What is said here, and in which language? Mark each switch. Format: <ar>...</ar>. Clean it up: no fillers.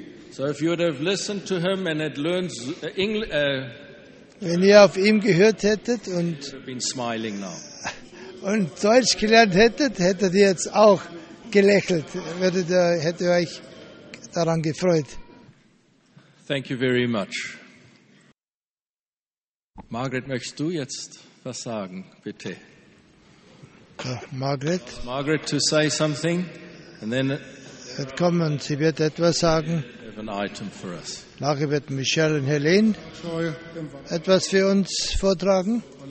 <en>So if you would have listened to him and had learned English,</en> <de>wenn ihr auf ihm gehört hättet und</de> <en>been smiling now.</en> <de>Und Deutsch gelernt hättet, hättet ihr jetzt auch gelächelt, hättet ihr euch daran gefreut.</de> <en>Thank you very much.</en> <de>Margaret, möchtest du jetzt was sagen, bitte? Margaret.</de> <en>Margaret to say something, and then.</en> <de>Wird kommen. Sie wird etwas sagen.</de> <en>An item for us.</en> <de>Nachher wird Michelle und Helene etwas für uns vortragen.</de>